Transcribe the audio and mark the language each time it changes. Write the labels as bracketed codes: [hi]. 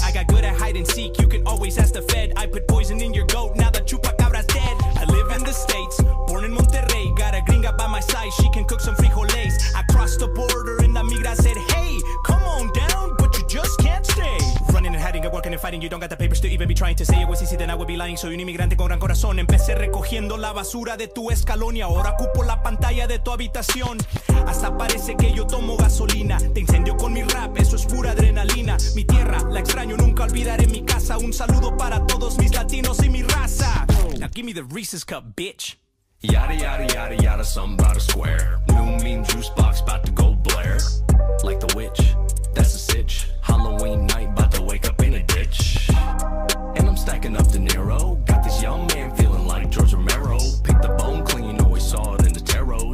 [en] I got good at hide and seek, you can always ask the Fed. I put poison in your goat, now that Chupacabra's dead. I live in the States, born in Monterrey. Got a gringa by my side, she can cook some frijoles. I crossed the border and the migra said, hey, come on down, but you just can't stay. Running and hiding and working and fighting, you don't got the papers to even be trying to say it was easy, then I would be lying. [es] Soy un inmigrante con gran corazón. Empecé recogiendo la basura de tu escalón y ahora ocupo la pantalla de tu habitación. Hasta parece que yo tomo gasolina. Te incendio con mi rap, eso es pura adrenalina. Mi tierra, la extraño, nunca olvidaré mi casa. Un saludo para todos mis latinos y mi raza. [en] Now give me the Reese's Cup, bitch. Yada, yada, yada, yada, something about a square. New mean juice box, about to go Blair. Like the witch, that's a sitch. Halloween night, about to wake up in a ditch. And I'm stacking up De Niro. Got this young man feeling like George Romero. Pick the bone clean, you know he saw it in the tarot.